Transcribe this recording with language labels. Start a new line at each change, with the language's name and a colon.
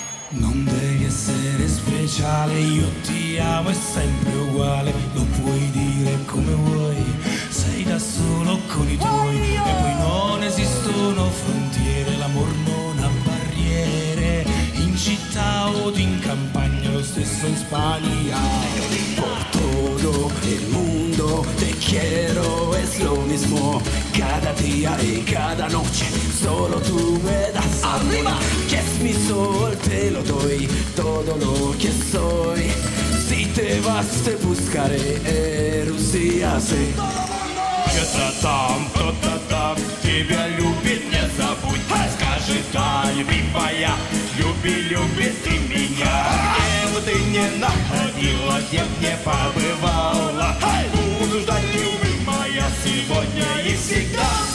Italian: Non devi essere speciale, io ti amo, è sempre uguale. Lo puoi dire come vuoi, sei da solo con i tuoi. E poi non esistono frontiere, l'amor non ha barriere. In città o in campagna, lo stesso in Spagna.
Spanish: Por todo el mundo te quiero, es lo mismo. Cada día y cada noche, solo tú me das. Arriba, que es mi sol, te lo doy, todo lo que soy. Si te vas, te buscaré, Rusia, sí.
Russian: Где то там, кто-то там, тебя любит, не забудь. Скажи, да, любимая, люби, люби ты меня. Где бы ты ни находила, где б не побывала, буду ждать, любимая, сегодня и всегда.